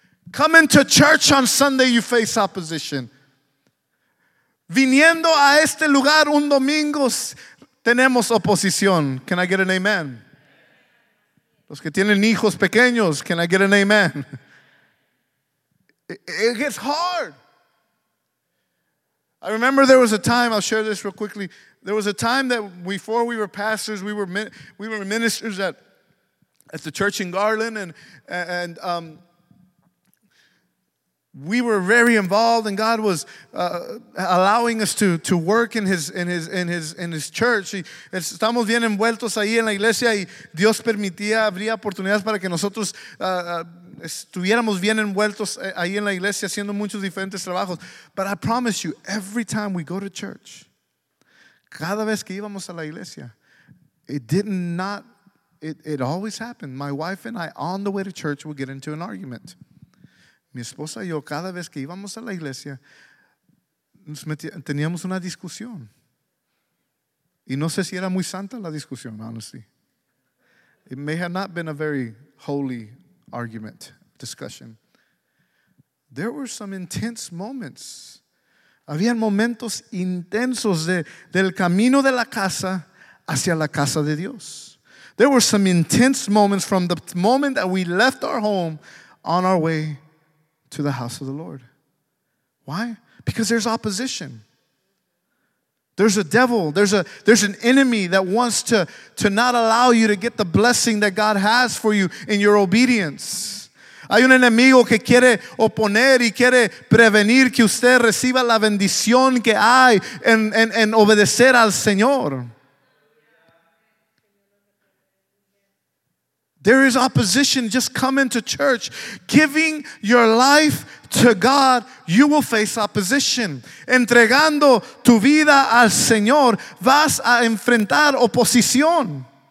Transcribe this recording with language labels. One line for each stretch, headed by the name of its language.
English: Coming to church on Sunday, you face opposition.
Spanish: Viniendo a este lugar un domingo, tenemos oposición.
English: Can I get an amen?
Spanish: Los que tienen hijos pequeños,
English: can I get an amen? It gets hard. I remember there was a time, I'll share this real quickly. There was a time that before we were pastors, we were ministers at the church in Garland, and we were very involved, and God was allowing us to work in his church.
Spanish: Estamos bien envueltos ahí en la iglesia, y Dios permitía abrir oportunidades para que nosotros estuviéramos bien envueltos ahí en la iglesia haciendo muchos diferentes trabajos.
English: But I promise you, every time we go to church,
Spanish: cada vez que íbamos a la iglesia,
English: it always happened. My wife and I, on the way to church, would get into an argument.
Spanish: Mi esposa y yo, cada vez que íbamos a la iglesia, teníamos una discusión. Y no sé si era muy santa la discusión, honestly.
English: It may have not been a very holy argument, discussion. There were some intense moments.
Spanish: Habían momentos intensos del camino de la casa hacia la casa de Dios.
English: There were some intense moments from the moment that we left our home on our way to the house of the Lord. Why? Because there's opposition. There's a devil. There's an enemy that wants to not allow you to get the blessing that God has for you in your obedience.
Spanish: Hay un enemigo que quiere oponer y quiere prevenir que usted reciba la bendición que hay en obedecer al Señor.
English: There is opposition. Just coming to church, giving your life to God, you will face opposition.
Spanish: Entregando tu vida al Señor, vas a enfrentar oposición.